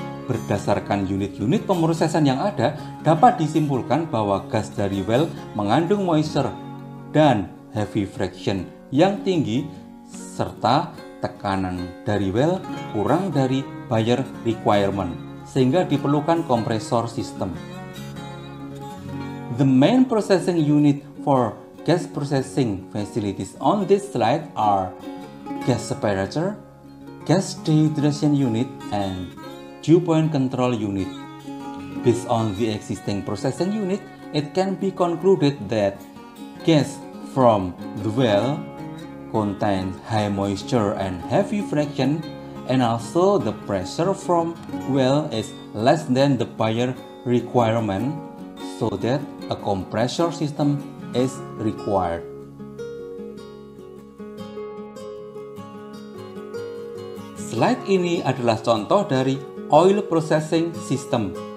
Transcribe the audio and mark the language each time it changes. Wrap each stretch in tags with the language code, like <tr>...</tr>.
<id>Berdasarkan unit-unit pemrosesan yang ada, dapat disimpulkan bahwa gas dari well mengandung moisture dan heavy fraction yang tinggi serta tekanan dari well kurang dari buyer requirement, sehingga diperlukan kompresor system.</id> <en>The main processing unit for gas processing facilities on this slide are gas separator, gas dehydration unit, and dew point control unit. Based on the existing processing unit, it can be concluded that gas from the well contains high moisture and heavy fraction, and also the pressure from well is less than the buyer requirement, so that a compressor system is required.</en> <id>Slide ini adalah contoh dari oil processing system.</id>